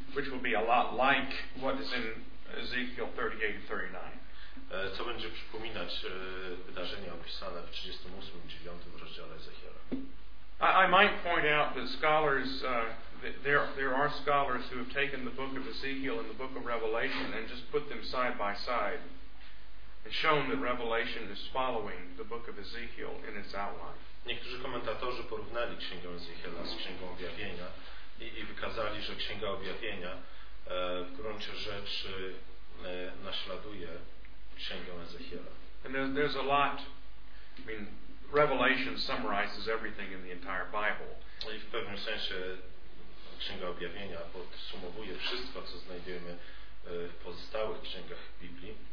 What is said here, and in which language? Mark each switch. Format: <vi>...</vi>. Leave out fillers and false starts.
<en>Which will be a lot like what is in Ezekiel 38-39.</en> <pl>Co będzie przypominać wydarzenia opisane w 38 i 9 rozdziale Ezechiela.</pl> <en>I might point out that scholars there are scholars who have taken the book of Ezekiel and the book of Revelation and just put them side by side and shown that Revelation is following the book of Ezekiel in its outline.</en> <pl>Niektórzy komentatorzy porównali Księgę Ezechiela z Księgą Objawienia i wykazali, że Księga Objawienia w gruncie rzeczy naśladuje Księgę Ezechiela.</pl> <en>And there's a lot, I mean, Revelation summarizes everything in the entire Bible.</en> <pl>I w pewnym sensie Księga Objawienia podsumowuje wszystko, co znajdujemy w pozostałych księgach Biblii.</pl>